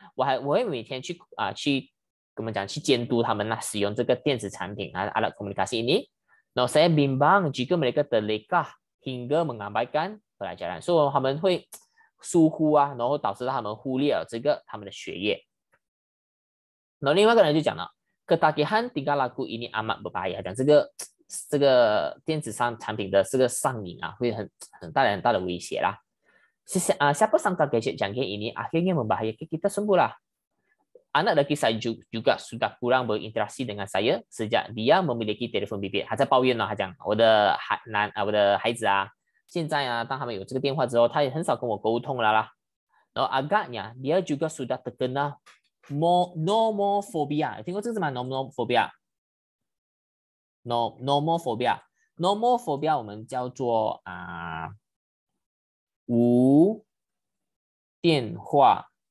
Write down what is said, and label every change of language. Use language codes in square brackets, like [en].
[zh] 我会每天去去怎么讲去监督他们使用这个电子产品啊 [ms] alat komunikasi ini. No, saya bimbang jika mereka terleka hingga mengabaikan pelajaran. [zh] So, 他们会疏忽啊，然后导致他们忽略了这个他们的学业。那另外一个人就讲了， [ms] ketagihan tinggal laku ini amat berbahaya. [zh] 讲这个电子产品的这个上瘾啊，会很带来很大的威胁啦。 [ms] Siapa sangka gadget canggih ini akhirnya membahayakan kita semua lah. Anak lelaki saya juga sudah kurang berinteraksi dengan saya sejak dia memiliki telefon bimbit. [zh] 他在抱怨了，他讲我的孩子啊，现在啊，当他们有这个电话之后，他也很少跟我沟通了啦。然后 [ms] agaknya dia juga sudah terkena nomophobia. [zh] 听过这个字吗？nomophobia. Nomophobia. Nomophobia 我们叫做无电话